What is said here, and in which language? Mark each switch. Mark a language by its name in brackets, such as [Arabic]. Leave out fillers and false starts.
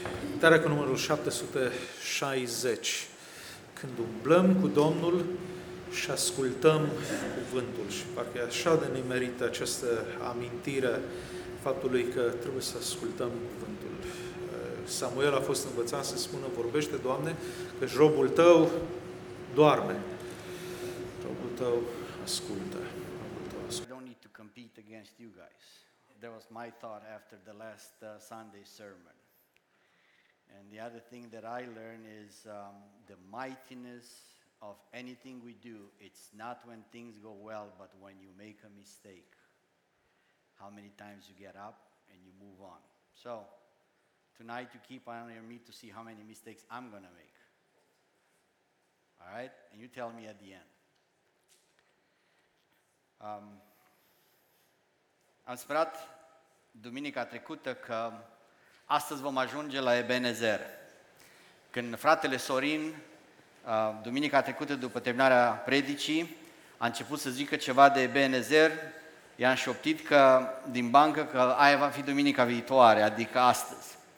[Romanian] Cântarea cu numărul 760. Când umblăm cu Domnul și ascultăm cuvântul. Și parcă e așa de nimerită această amintire faptului că trebuie să ascultăm cuvântul. Samuel a fost învățat să spună: vorbește, Doamne, că robul Tău doarme. Robul Tău ascultă. [English] I don't need to compete against you guys. That was my thought after the last Sunday sermon. And the other thing that I learned is the mightiness of anything we do, it's not when things go well, but when you make a mistake. How many times you get up and you move on. So, tonight you keep an eye on me to see how many mistakes I'm going to make. All right? And you tell me at the end. [Romanian] Am sperat duminica trecută că astăzi vom ajunge la Ebenezer. Când fratele Sorin, duminica trecută după terminarea predicii, a început să zică ceva de Ebenezer, i-am șoptit că din bancă că aia va fi duminica viitoare, adică astăzi.